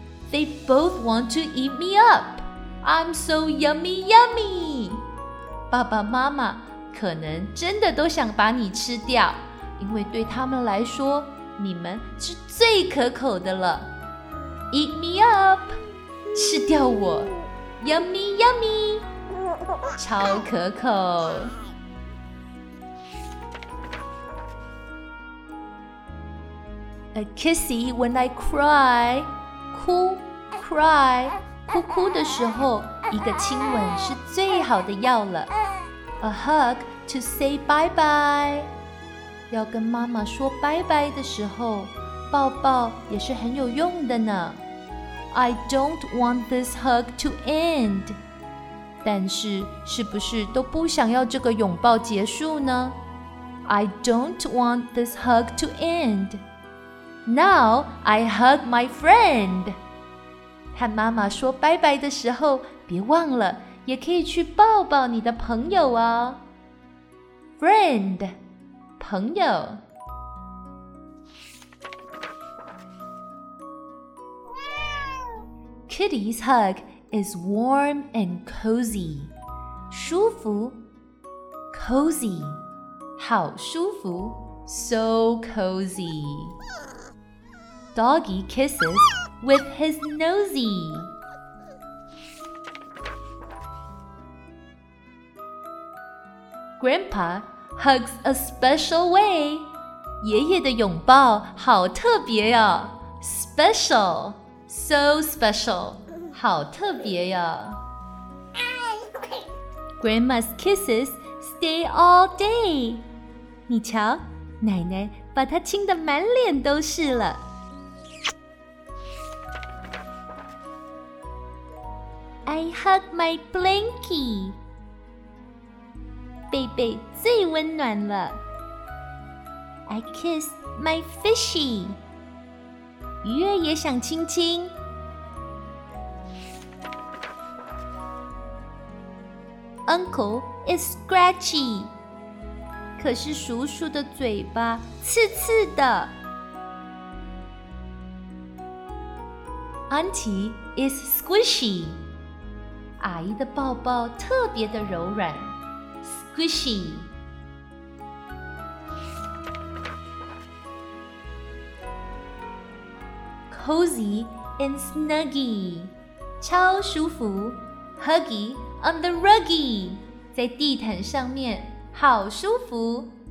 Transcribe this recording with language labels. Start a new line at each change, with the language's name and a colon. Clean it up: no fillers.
English: They both want to eat me up. I'm so yummy yummy.
Chinese: 爸爸妈妈可能真的都想把你吃掉，因为对他们来说，你们是最可口的了。
English: Eat me up，
Chinese: 吃掉我。
English: Yummy yummy，
Chinese: 超可口。
English: A kissy when I cry，
Chinese: 哭
English: cry。
Chinese: 哭哭的时候，一个亲吻是最好的药了。
English: A hug to say bye bye，
Chinese: 要跟妈妈说拜拜的时候，抱抱也是很有用的呢。
English: I don't want this hug to end，
Chinese: 但是是不是都不想要这个拥抱结束呢？
English: I don't want this hug to end。 Now I hug my friend，
Chinese: 和妈妈说拜拜的时候，别忘了也可以去抱抱你的朋友哦。
English: Friend，
Chinese: 朋友。
English: Kitty's hug is warm and cozy，
Chinese: 舒服。
English: Cozy，
Chinese: 好舒服。
English: So cozy。 Doggy kisses with his nosy， 。Grandpa hugs a special way，
Chinese: 爷爷的拥抱好特别呀。
English: Special， so special，
Chinese: 好特别呀。
English: Grandma's kisses stay all day，
Chinese: 你瞧，奶奶把她亲得满脸都是了。
English: I hug my blankie，
Chinese: 贝贝最温暖了。
English: I kiss my fishy，
Chinese: 鱼儿也想亲亲。
English: Uncle is scratchy，
Chinese: 可是叔叔的嘴巴刺刺的。
English: Auntie is squishy，
Chinese: 阿姨的抱抱特别的柔软 ，
English: squishy。 Cozy and snuggy，
Chinese: 超舒服。
English: Huggy on the ruggy，
Chinese: 在地毯上面好舒服。